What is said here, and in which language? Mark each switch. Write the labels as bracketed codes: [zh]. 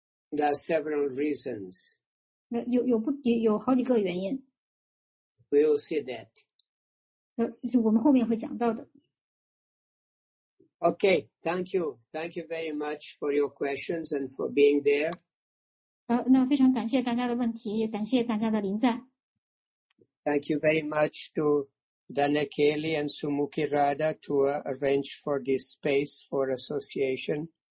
[en] There are several reasons. [zh] 有好几个原因。 [en] We'll see that. [zh] 我们后面会讲到的。 [en] Okay, thank you. Thank you very much for your questions and for being there. [zh] 那非常感谢大家的问题，也感谢大家的临在。 [en] Thank you very much to Danakeli and Sumukhi Radha to arrange for this space for association.